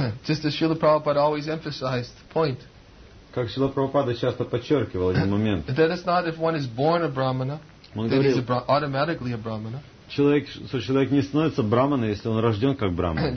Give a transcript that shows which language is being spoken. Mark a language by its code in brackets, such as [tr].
[en] Just as Srila Prabhupada always emphasized the point. [ru] Как Шрила Прабхупада часто подчеркивал один момент. [en] That is not if one is born a brahmana, then he's automatically a brahmana. [ru] Человек не становится брахманом, если он рожден как брахмана.